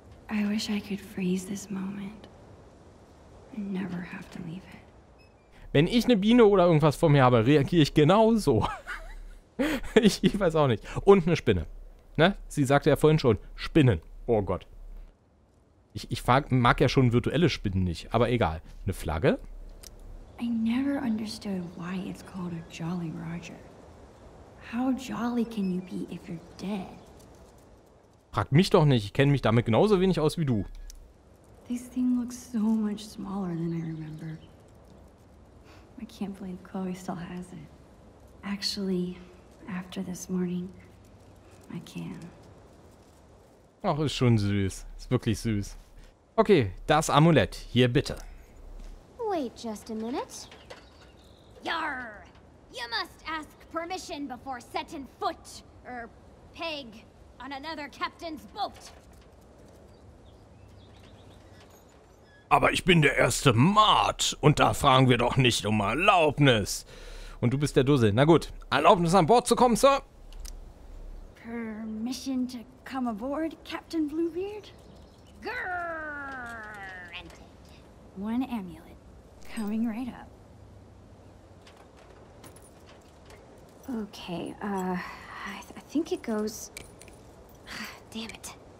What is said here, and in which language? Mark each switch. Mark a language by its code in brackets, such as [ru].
[en] I wish I could freeze this moment. Never have to leave it. [de] Wenn ich eine Biene oder irgendwas vor mir habe, reagiere ich genauso. Ich weiß auch nicht. Und eine Spinne. Ne? Sie sagte ja vorhin schon, Spinnen. Oh Gott. Ich mag ja schon virtuelle Spinnen nicht, aber egal. Eine Flagge? [en] I never understood why it's called a Jolly Roger. How jolly can you be if you're dead? [de] Frag mich doch nicht, ich kenne mich damit genauso wenig aus wie du. [en] This thing looks so much smaller than I remember. I can't believe Chloe still has it. Actually, after this morning, I can. [de] Ach, ist schon süß. Ist wirklich süß. Okay, das Amulett. Hier bitte. [en] Wait just a minute. Yarr! You must ask permission before setting foot or peg on another captain's boat. [de] Aber ich bin der erste Mart und da fragen wir doch nicht um Erlaubnis. Und du bist der Dussel. Na gut, Erlaubnis an Bord zu kommen, Sir. [en] Permission to come aboard, Captain Bluebeard? Granted. One amulet coming right up. Okay, I think it goes. Damn it.